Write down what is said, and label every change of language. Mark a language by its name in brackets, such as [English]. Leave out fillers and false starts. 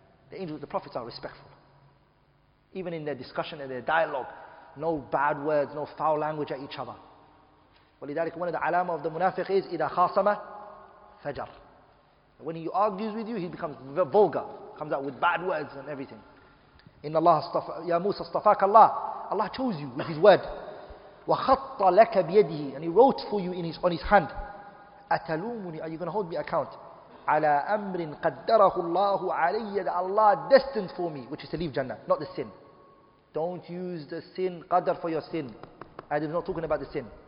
[English] The angels, the prophets are respectful. Even in their discussion and their dialogue, no bad words, no foul language at each other. [Arabic] ولذلك, [English] one of the alama of the munafiq is, [Arabic] إذا خاصم فجر. [English] When he argues with you, he becomes vulgar, comes out with bad words and everything. [Arabic] إن الله اصطفى, يا موسى اصطفاك الله, [English] Allah chose you with his word. [Arabic] وَخَطَّ لَكَ بِيَدِهِ, [English] and he wrote for you in his, on his hand. [Arabic] أَتَلُومُنِي, [English] are you going to hold me account? [Arabic] عَلَى أَمْرٍ قَدَّرَهُ اللَّهُ عَلَيَّ, [English] that Allah destined for me, which is to leave Jannah, not the sin. Don't use the sin, qadr, for your sin. Adam's not talking about the sin.